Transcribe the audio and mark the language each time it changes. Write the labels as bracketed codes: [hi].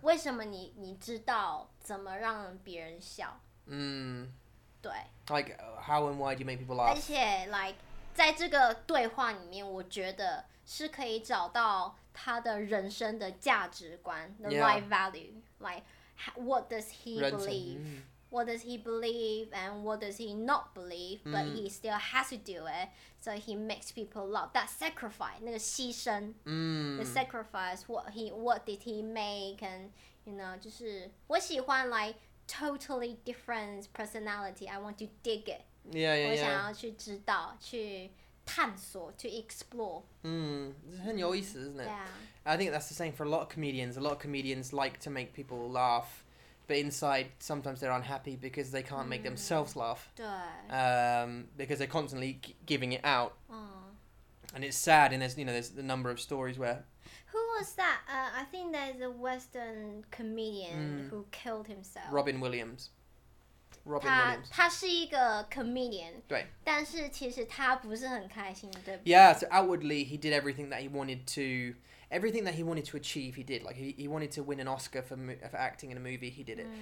[zh] 为什么你知道怎么让别人笑？对。 [en] Like how and why do you make people laugh? [zh] 而且 ，like 在这个对话里面，我觉得是可以找到他的人生的价值观 ， [en] the life value. Like what does he believe? What does he believe and what does he not believe? But he still has to do it, so he makes people laugh. That sacrifice, [zh] 那个牺牲 [en] the sacrifice, what did he make? And you know, [zh] 就是我喜欢 [en] like totally different personality. I want to dig it. Yeah. [zh] 我想要去知道，去探索 ， [en] to explore. [zh] 这很有意思， [en] isn't it? Yeah. I think that's the same for a lot of comedians. A lot of comedians like to make people laugh. But inside, sometimes they're unhappy because they can't make themselves laugh. 对。 Because they're constantly giving it out. And it's sad, and there's the number of stories where... Who was that? I think there's a Western comedian who killed himself. Robin Williams. Robin Williams. [zh] 他是一个 comedian. 对。但是其实他不是很开心，对不对？ [en] Yeah, so outwardly, he did everything that he wanted to... everything that he wanted to achieve, he did. Like, he wanted to win an Oscar for acting in a movie, he did it. Mm.